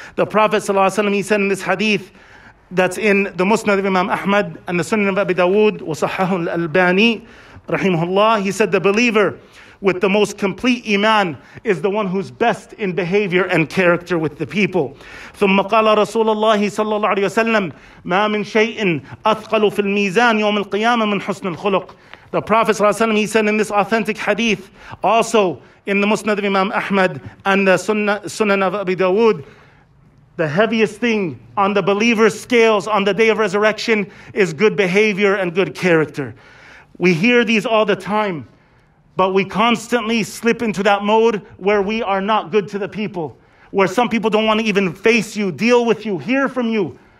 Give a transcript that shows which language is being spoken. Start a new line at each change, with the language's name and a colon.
English: The Prophet
Arabic: صلى الله عليه وسلم,
English: he said in this hadith that's in the Musnad of Imam Ahmad and the Sunan of Abi Dawood,
Arabic: وَصَحَّهُ الْأَلْبَانِي,
English: rahimahullah, he said, the believer with the most complete iman is the one who's best in behavior and character with the people.
Arabic: ثم قال رسول الله صلى الله عليه وسلم ما من شيء أثقل في الميزان يوم القيامة من حسن الخلق.
English: The Prophet ﷺ, he said in this authentic hadith, also in the Musnad of Imam Ahmad and the Sunan of Abi Dawood, the heaviest thing on the believer's scales on the day of resurrection is good behavior and good character. We hear these all the time, but we constantly slip into that mode where we are not good to the people, where some people don't want to even face you, deal with you, hear from you.